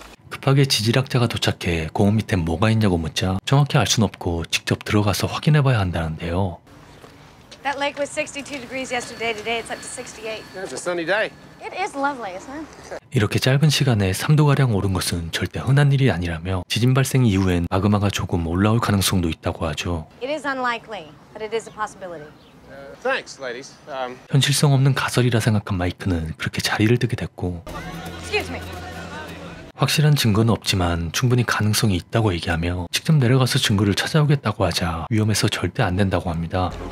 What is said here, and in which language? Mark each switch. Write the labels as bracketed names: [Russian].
[Korean] 급하게 지질학자가 도착해 공원 밑에 뭐가 있냐고 묻자 정확히 알 순 없고 직접 들어가서 확인해봐야 한다는데요. [English] That lake was 62 degrees yesterday. Today it's up to 68. That's a sunny day. It is lovely, isn't it? [Korean] 이렇게 짧은 시간에 3도가량 오른 것은 절대 흔한 일이 아니라며 지진 발생 이후엔 마그마가 조금 올라올 가능성도 있다고 하죠. [English] It is unlikely, but it is a possibility. Thanks, ladies. [Korean] 현실성 없는 가설이라 생각한 마이크는 그렇게 자리를 뜨게 됐고 [English] Excuse me. [Korean] 확실한 증거는 없지만 충분히 가능성이 있다고 얘기하며 직접 내려가서 증거를 찾아오겠다고 하자 위험해서 절대 안 된다고 합니다.